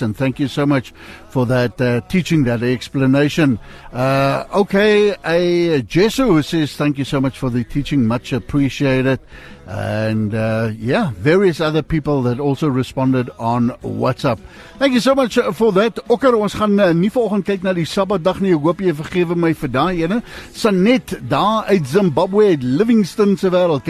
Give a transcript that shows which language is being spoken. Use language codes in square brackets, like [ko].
[en] And thank you so much for that teaching, that explanation. Okay, Jesu says, thank you so much for the teaching. Much appreciated. And various other people that also responded on WhatsApp. Thank you so much for that. [af] Okker, ons gaan nie vanoggend kyk na die Sabbatdag nie. Ek hoop jy vergewe my vir daai ene. Sanet daar uit Zimbabwe, uit Livingston se wêreld.